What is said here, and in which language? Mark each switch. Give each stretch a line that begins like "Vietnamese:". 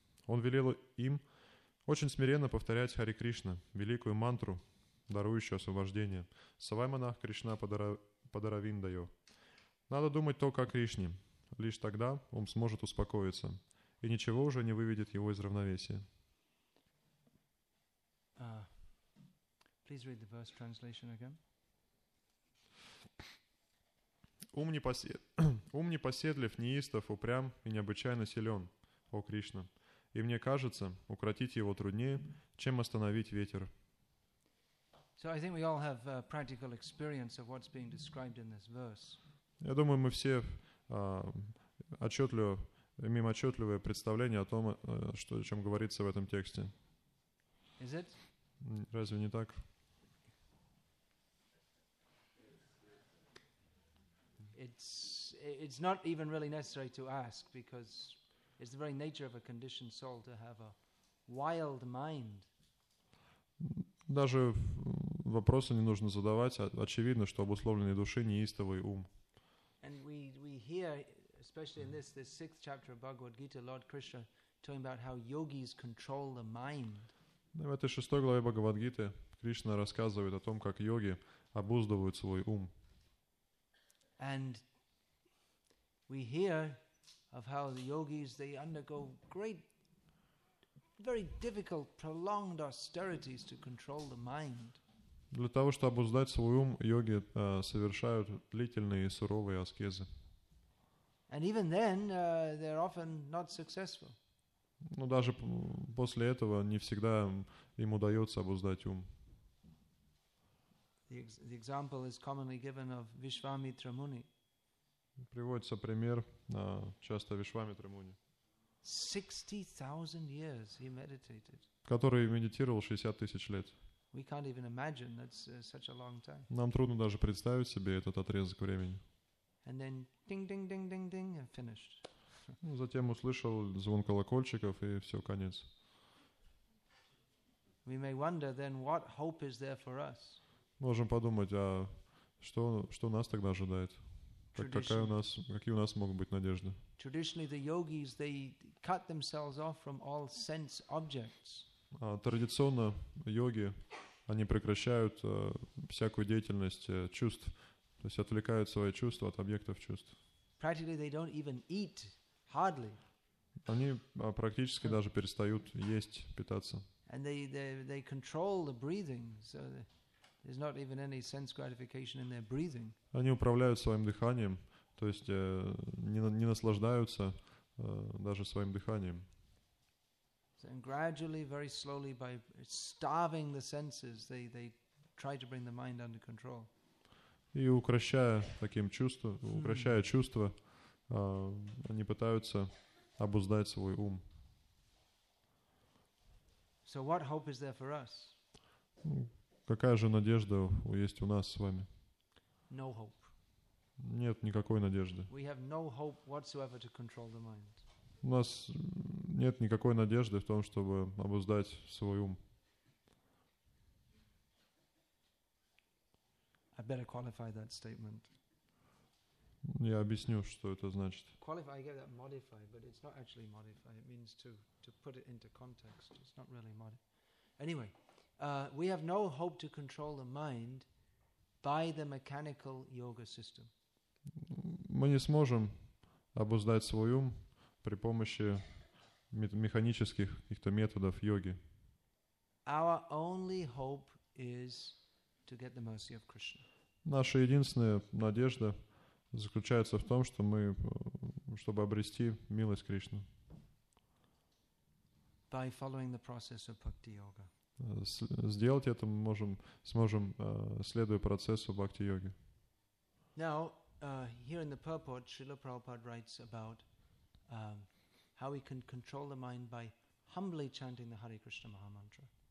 Russian: Он велел им очень смиренно повторять Хари Кришна, великую мантру, дарующую освобождение.
Sanskrit: Савайманах Кришна Падаравиндайо.
Russian: Надо думать только о Кришне. Лишь тогда ум сможет успокоиться, и ничего уже не выведет его из равновесия.
English: Please read the verse translation again.
Russian: Ум непоседлив, неистов, упрям и необычайно силен, о Кришна. И мне кажется, укротить его труднее, чем остановить ветер.
English: So I think we all have a practical experience of what's being described in this verse.
Russian: Я думаю, мы все отчетливо, имеем отчетливое представление о том, что, о чем говорится в этом тексте.
English: Is it?
Russian: Разве не так?
English: It's not even really necessary to ask because it's the very nature of a conditioned soul to have a wild mind.
Russian: Даже в вопросы не нужно задавать. Очевидно, что обусловленные души неистовый ум.
English: And we hear, especially in this sixth chapter of Bhagavad Gita, Lord Krishna talking about how yogis control the mind.
Russian: В этой шестой главе Бхагавадгиты Кришна рассказывает о том, как йоги обуздывают свой ум.
English: And we hear of how the yogis, they undergo great, very difficult, prolonged austerities to control the mind.
Russian: Для того, чтобы обуздать свой ум, йоги совершают длительные и суровые аскезы.
English: And even then, they're often not successful.
Russian: Но даже после этого не всегда им удается обуздать ум.
English: The example is commonly given of Vishwamitra Muni.
Russian: Приводится пример часто Вишвамитра Муни.
English: 60,000 years he meditated.
Russian: Который медитировал 60 тысяч лет.
English: We can't even imagine that's such a long time.
Russian: Нам трудно даже представить себе этот отрезок времени.
English: And then ding ding ding ding ding and finished.
Russian: Затем услышал звон колокольчиков и все, конец.
English: We may wonder then what hope is there for us.
Russian: Можем подумать, а что нас тогда ожидает? Какие у нас могут быть надежды?
English: Traditionally the yogis they cut themselves off from all sense objects.
Russian: Традиционно йоги они прекращают всякую деятельность чувств, то есть отвлекают свои чувства от объектов чувств.
English: Practically they don't even eat hardly.
Russian: Они практически даже перестают есть, питаться.
English: And they control the breathing, so there's not even any sense gratification in their breathing.
Russian: Они управляют своим дыханием, то есть не наслаждаются даже своим дыханием.
English: And gradually, very slowly, by starving the senses, they try to bring the mind under control.
Russian: И укрощая таким чувство, укрощая чувства, они пытаются обуздать свой ум.
English: So what hope is there for us?
Russian: Какая же надежда есть у нас с вами?
English: No hope.
Russian: Нет никакой надежды.
English: We have no hope whatsoever to control the mind.
Russian: У нас нет никакой надежды в том, чтобы обуздать свой ум.
English: I better qualify that statement.
Russian: Я объясню, что это значит.
English: Qualify, I get that modify, but it's not actually modify. It means to put it into context. It's not really modify. Anyway, we have no hope to control the mind by the mechanical yoga system.
Russian: Мы не сможем обуздать свой ум при помощи механических каких-то методов йоги.
English: Our only hope is to get the mercy of Krishna.
Russian: Наша единственная надежда заключается в том, что мы, чтобы обрести милость Кришны.
English: By following the process of bhakti yoga.
Russian: Сделать это мы сможем, следуя процессу бхакти йоги.
English: Now, here in the purport, Srila Prabhupada writes about how we can control the mind by humbly chanting the Hare Krishna Maha Mantra.